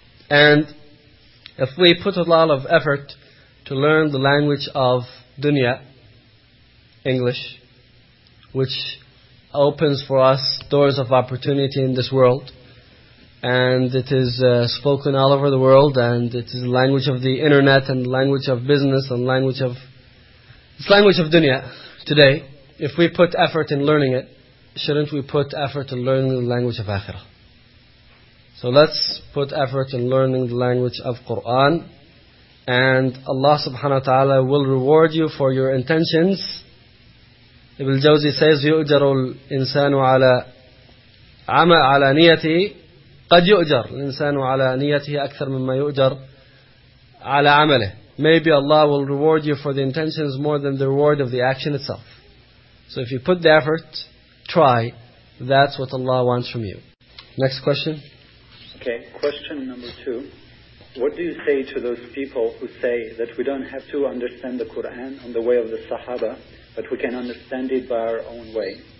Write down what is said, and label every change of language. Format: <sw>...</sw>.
<en>And if we put a lot of effort to learn the language of dunya, English, which opens for us doors of opportunity in this world, and it is spoken all over the world, and it is the language of the internet, and the language of business, and language of it's language of dunya today. If we put effort in learning it, shouldn't we put effort in learning the language of akhirah? So let's put effort in learning the language of Qur'an, and Allah subhanahu wa ta'ala will reward you for your intentions.</en> <ar>Ibn Jawzi says, يُؤْجَرُ الْإِنسَانُ عَلَىٰ عَمَىٰ عَلَىٰ نِيَتِهِ قَدْ يُؤْجَرُ الْإِنسَانُ عَلَىٰ نِيَتِهِ أَكْثَرْ مِمَّا يُؤْجَرُ عَلَىٰ عَمَلِهِ.</ar> <en>Maybe Allah will reward you for the intentions more than the reward of the action itself. So if you put the effort, try, that's what Allah wants from you. Next question. Okay, question number two. What do you say to those people who say that we don't have to understand the Qur'an on the way of the Sahaba, but we can understand it by our own way?</en>